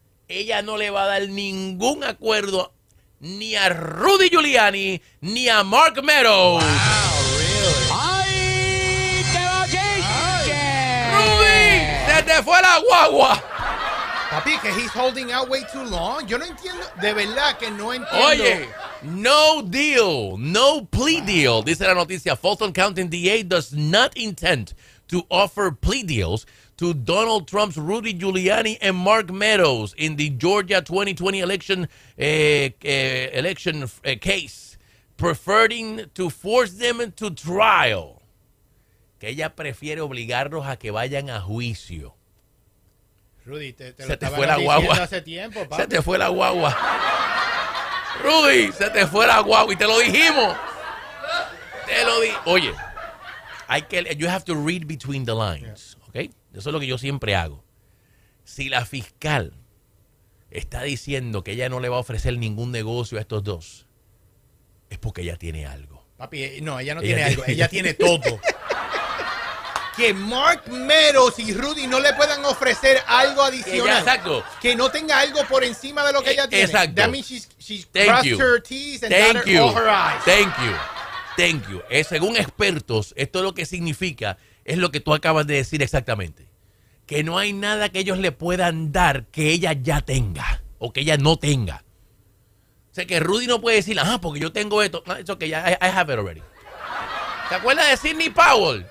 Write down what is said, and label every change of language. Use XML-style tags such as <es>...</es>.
<es>Ella no le va a dar ningún acuerdo ni a Rudy Giuliani ni a Mark Meadows.</es> <en>Wow, really?</en> <es>¡Ay, te va, Jake! ¡Rudy, se te fue la guagua! Papi, que</es> <en>he's holding out way too long.</en> <es>Yo no entiendo, de verdad que no entiendo. Oye,</es> <en>no deal, no plea deal,</en> <es>dice la noticia.</es> <en>Fulton County DA does not intend to offer plea deals to Donald Trump's Rudy Giuliani and Mark Meadows in the Georgia 2020 election case, preferring to force them to trial.</en> <es>Que ella prefiere obligarlos a que vayan a juicio. Rudy, te se lo te fue la guagua. Hace tiempo, papi. Se te fue la guagua. Rudy, se te fue la guagua. Y te lo dijimos. Te lo di. Oye, hay que,</es> <en>you have to read between the lines. Yeah.</en> <es>Eso es lo que yo siempre hago. Si la fiscal está diciendo que ella no le va a ofrecer ningún negocio a estos dos, es porque ella tiene algo. Papi, no, ella no tiene algo. Ella tiene todo. Que Mark Meadows y Rudy no le puedan ofrecer algo adicional. Ella, exacto. Que no tenga algo por encima de lo que ella tiene. Exacto.</es> <en>That means she's crossed her T's and dotted all her I's. Thank you. Thank you.</en> <es>Según expertos, esto es lo que significa... Es lo que tú acabas de decir exactamente. Que no hay nada que ellos le puedan dar que ella ya tenga o que ella no tenga. O sea, que Rudy no puede decir, ah, porque yo tengo esto.</es> <en>No, it's okay, I have it already.</en> <es>¿Te acuerdas de Sidney Powell?</es>